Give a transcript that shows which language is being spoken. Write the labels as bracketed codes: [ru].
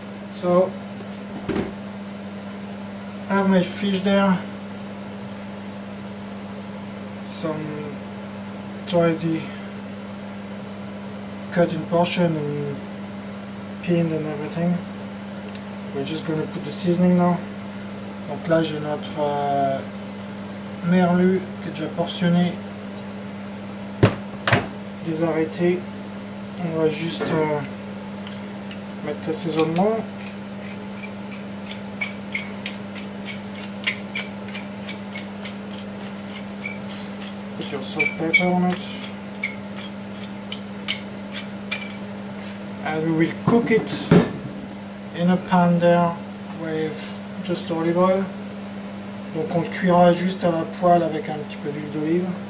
[en] So, I have my fish there, some tidy cut in portion and pinned and everything. We're just gonna put the seasoning now. [fr] Donc là j'ai notre merlu que j'ai portionné, désarrêté. On va juste mettre l'assaisonnement. sur ce butternut. [en] And we will cook it in a pan there with just olive oil. [fr] Donc on le cuira juste à la poêle avec un petit peu d'huile d'olive.